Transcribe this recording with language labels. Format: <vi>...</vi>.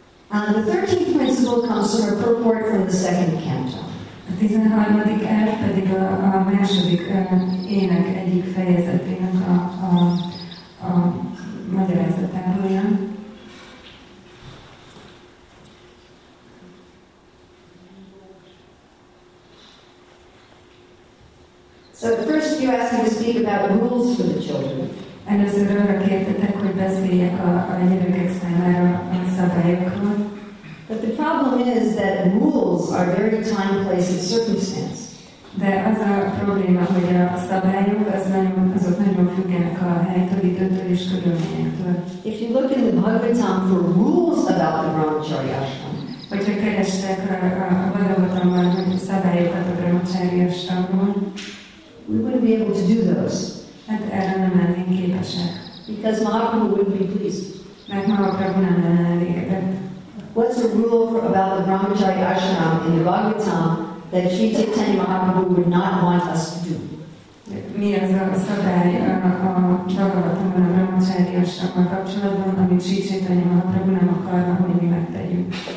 <en>And the 13th principle comes from a purport from the 2nd canto.</en> <hu>A 13. elv pedig a második ének egyik fejezetének a magyarázatából jön.</hu> <en>So first you asked me to speak about rules for the children.</en> <hu>Először arra kértetek, hogy beszéljek a gyerekek számára a szabályokról.</hu> <en>But the problem is that rules are very time, place, and circumstance.</en> <hu>De az a probléma, hogy a szabályok azok nagyon függenek a helytől, időtől és körülményektől.</hu> <en>If you look in the Bhagavatam for rules about the Brahmachari Ashram,</en> <hu>hogyha kerestek a Bhagavatamban a szabályokat a Brahmachari Ashramban,</hu> <en>we wouldn't be able to do those.</en> <hu>Hát erre nem lennénk képesek.</hu> <en>Because Mahaprabhu wouldn't be pleased.</en> <hu>Mert Mahaprabhu nem lenne elégedett.</hu> <en>What's the rule about the Brahmachari Ashram in the Bhagavatam that Sri Chaitanya Mahaprabhu would not want us to do?</en> <hu>Mi az a szabály a Bhagavatamban a Brahmachari Ashramban kapcsolatban, amit Sri Chaitanya Mahaprabhu nem akarna, hogy mi megtegyünk?</hu>